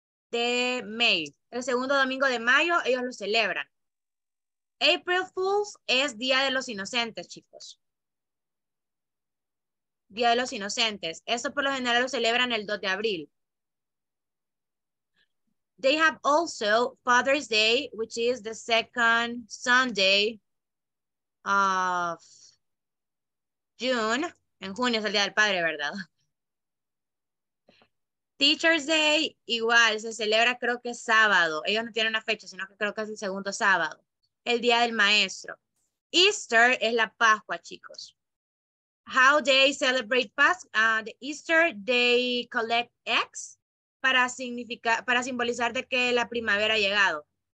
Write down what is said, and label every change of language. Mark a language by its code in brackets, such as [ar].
[es] de May. El segundo domingo de mayo, ellos lo celebran. April Fool's es Día de los Inocentes, chicos. Día de los Inocentes. Esto por lo general lo celebran el 2 de abril. [en] They have also Father's Day, which is the second Sunday of June. [es] En junio es el Día del Padre, ¿verdad? Teacher's Day, igual, se celebra creo que sábado. Ellos no tienen una fecha, sino que creo que es el segundo sábado. El Día del Maestro. Easter es la Pascua, chicos. [en] How they celebrate [es] Pascua, [en] the Easter, they collect eggs [es] para simbolizar de que la primavera ha llegado.